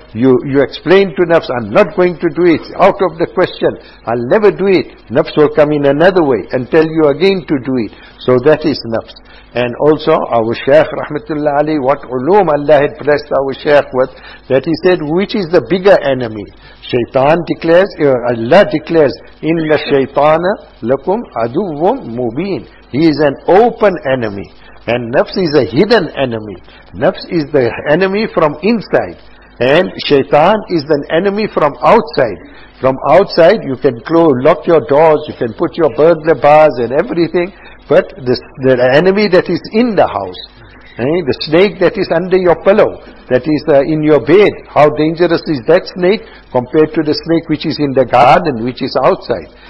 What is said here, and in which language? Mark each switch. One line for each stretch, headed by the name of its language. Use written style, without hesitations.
English: You explain to nafs, I'm not going to do it. It's out of the question. I'll never do it. Nafs will come in another way and tell you again to do it. So that is nafs. And also our Shaykh Rahmatullah Ali, what uloom Allah had blessed our Shaykh with, that he said, which is the bigger enemy? Shaytan declares, Allah declares,
Arabic: إِنَّ الشَّيْطَانَ لَكُمْ عَدُوٌ مُبِينٌ.
English: He is an open enemy. And nafs is a hidden enemy. Nafs is the enemy from inside. And shaitan is an enemy from outside. From outside you can lock your doors, you can put your burglar bars and everything. But the enemy that is in the house, the snake that is under your pillow, that is in your bed, how dangerous is that snake compared to the snake which is in the garden, which is outside?